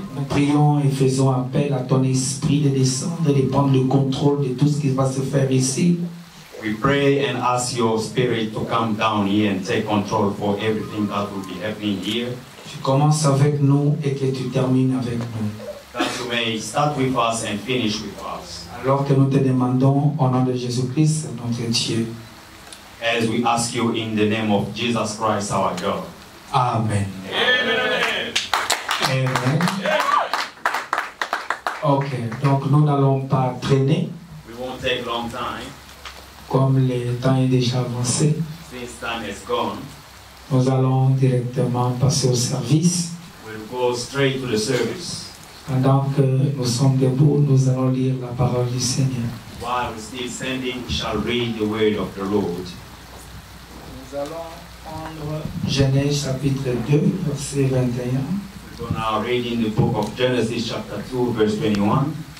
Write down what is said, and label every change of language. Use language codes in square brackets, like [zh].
[fr] Nous prions et faisons appel à ton esprit de descendre, de prendre le contrôle de tout ce qui va se faire ici. [en] We pray and ask your spirit to come down here and take control for everything that will be happening here. [fr] Tu commences avec nous et que tu termines avec nous. [en] That you may start with us and finish with us. [fr] Alors que nous te demandons au nom de Jésus-Christ, notre Dieu. [en] As we ask you in the name of Jesus Christ, our God. Amen. Amen. [fr] Amen. Ok, donc nous n'allons pas traîner. [en] We won't take long time. [fr] Comme le temps est déjà avancé. [en] Since time is gone. [fr] Nous allons directement passer au service. [en] We'll go straight to the service. [fr] Pendant que nous sommes debout, nous allons lire la parole du Seigneur. [en] While we're still standing, we shall read the word of the Lord. [fr] Nous allons prendre Genèse chapitre 2, verset 21. [en] We're going to read in the book of Genesis chapter 2, verse 21.